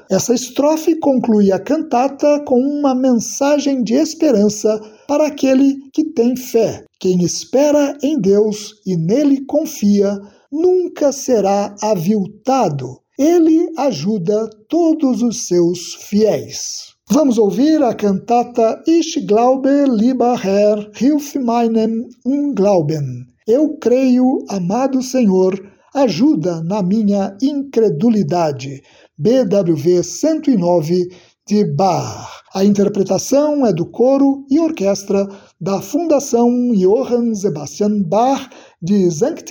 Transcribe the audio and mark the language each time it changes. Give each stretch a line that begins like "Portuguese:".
Portuguese: Essa estrofe conclui a cantata com uma mensagem de esperança para aquele que tem fé. Quem espera em Deus e nele confia, nunca será aviltado. Ele ajuda todos os seus fiéis. Vamos ouvir a cantata
German: Ich glaube, lieber Herr, hilf meinem Unglauben.
Portuguese: Eu creio, amado Senhor, ajuda na minha incredulidade. BWV 109 de Bach. A interpretação é do coro e orquestra da Fundação Johann Sebastian Bach de St.